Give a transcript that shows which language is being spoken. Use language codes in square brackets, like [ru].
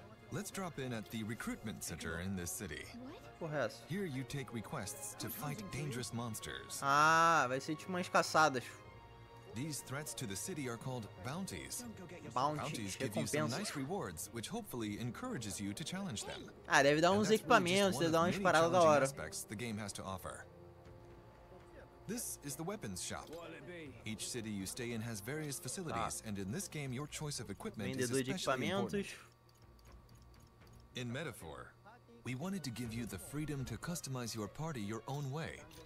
[en] Let's drop in at the recruitment center in this city. Here you take requests to fight dangerous monsters. [pt] Ah, vai ser tipo umas caçadas. [en] These threats to the city are called bounties. Bounties give you some nice rewards, which hopefully encourages you to challenge them. [pt] Ah, deve dar uns equipamentos, deve dar umas paradas da hora. [en] The game has to offer. This is the weapons shop. Each city you stay in has various facilities, and in this game, your choice of equipment is especially important. In Metaphor, we wanted to give you the freedom to customize your party your own way.